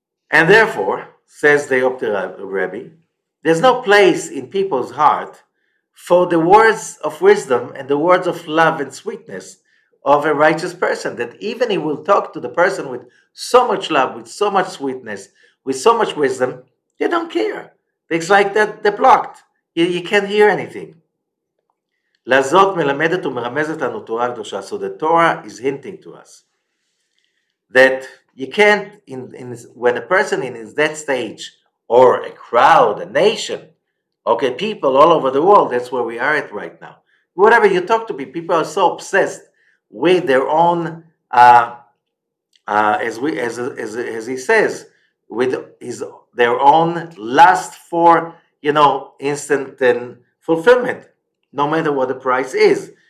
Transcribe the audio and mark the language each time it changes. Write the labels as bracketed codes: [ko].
[en] And therefore, says the Opti Rebbe, there's no place in people's heart for the words of wisdom and the words of love and sweetness of a righteous person, that even he will talk to the person with so much love, with so much sweetness, with so much wisdom, they don't care. It's like that they're blocked. You can't hear anything. [he] לזאת מלמדת ומרמזת לנו תורה קדושה. [en] So the Torah is hinting to us that you can't, when a person in his death stage, or a crowd, a nation, okay, people all over the world, that's where we are at right now. Whatever you talk to people, people are so obsessed with their own, as he says, with his their own lust for, you know, instant and fulfillment, no matter what the price is.